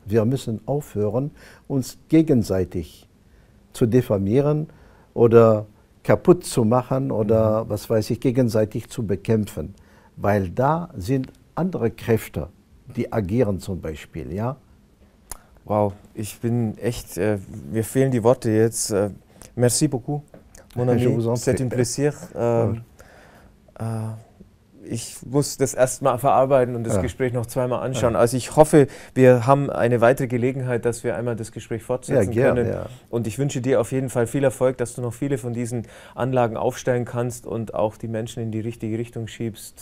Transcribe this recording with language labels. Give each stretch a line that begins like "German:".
German: Wir müssen aufhören, uns gegenseitig zu diffamieren oder kaputt zu machen oder, mhm, was weiß ich, gegenseitig zu bekämpfen. Weil da sind andere Kräfte, die agieren zum Beispiel, ja? Wow, ich bin echt, mir fehlen die Worte jetzt.
French: Merci beaucoup, mon ami, c'est un plaisir.
German: Ich muss das erstmal verarbeiten und das, ja, Gespräch noch zweimal anschauen. Ja. Also ich hoffe, wir haben eine weitere Gelegenheit, dass wir einmal das Gespräch fortsetzen, ja, gern, können. Ja. Und ich wünsche dir auf jeden Fall viel Erfolg, dass du noch viele von diesen Anlagen aufstellen kannst und auch die Menschen in die richtige Richtung schiebst.